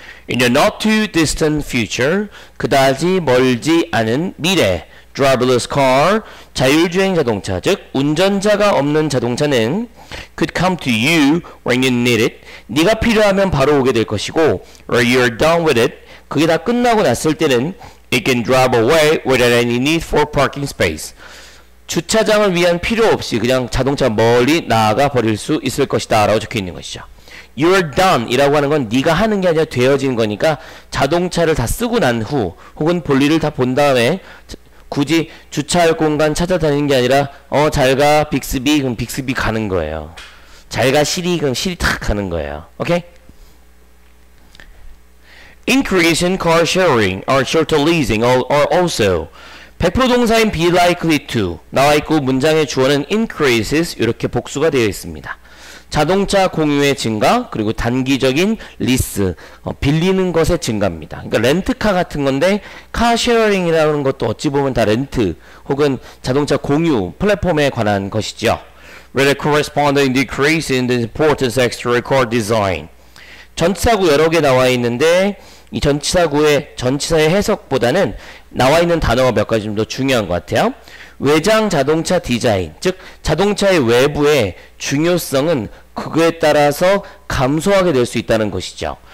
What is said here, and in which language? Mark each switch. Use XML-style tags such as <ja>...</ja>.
<en>In a not too distant future,</en> <ko>그다지 멀지 않은 미래,</ko> <en>driverless car,</en> <ko>자율주행 자동차, 즉 운전자가 없는 자동차는</ko> <en>could come to you when you need it,</en> <ko>네가 필요하면 바로 오게 될 것이고,</ko> <en>or you're done with it,</en> <ko>그게 다 끝나고 났을 때는</ko> <en>It can drive away without any need for parking space.</en> <ko>주차장을 위한 필요 없이 그냥 자동차 멀리 나아가 버릴 수 있을 것이다 라고 적혀 있는 것이죠.</ko> <en>You're done</en> <ko>이라고 하는 건 네가 하는 게 아니라 되어진 거니까 자동차를 다 쓰고 난 후 혹은 볼일을 다 본 다음에 굳이 주차할 공간 찾아다니는 게 아니라 어 잘가 빅스비 그럼 빅스비 가는 거예요. 잘가 시리 그럼 시리 탁 가는 거예요. 오케이?</ko> <en>Increase in car sharing or shorter leasing or also 100%</en> <ko>동사인</ko> <en>be likely to</en> <ko>나와있고 문장의 주어는</ko> <en>increases</en> <ko>이렇게 복수가 되어 있습니다. 자동차 공유의 증가 그리고 단기적인 리스 빌리는 것의 증가입니다. 그러니까 렌트카 같은 건데 카쉐어링이라는 것도 어찌 보면 다 렌트 혹은 자동차 공유 플랫폼에 관한 것이죠.</ko> <en>With a corresponding decrease in the importance extra car design.</en> <ko>전치사구 여러 개 나와 있는데 이 전치사구의 전치사의 해석보다는 나와 있는 단어가 몇 가지 좀 더 중요한 것 같아요. 외장 자동차 디자인, 즉 자동차의 외부의 중요성은 그거에 따라서 감소하게 될 수 있다는 것이죠.</ko>